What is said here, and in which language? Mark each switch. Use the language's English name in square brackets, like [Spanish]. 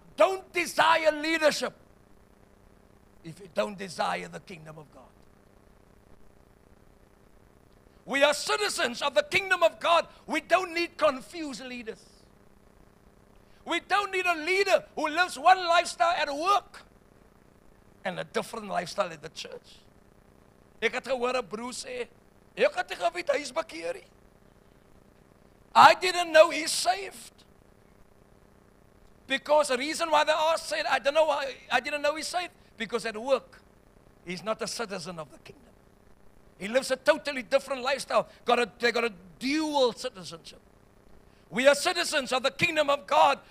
[English] Don't desire leadership if you don't desire the kingdom of God. We are citizens of the kingdom of God. We don't need confused leaders. We don't need a leader who lives one lifestyle at work and a different lifestyle at the church. [Afrikaans] Ek het gehoor 'n broer sê, ek het geweet hy is bekeer. [English] I didn't know he's saved. Because the reason why they all said, I don't know why, I didn't know he's saved. Because at work, he's not a citizen of the kingdom. He lives a totally different lifestyle. They got a dual citizenship. We are citizens of the kingdom of God.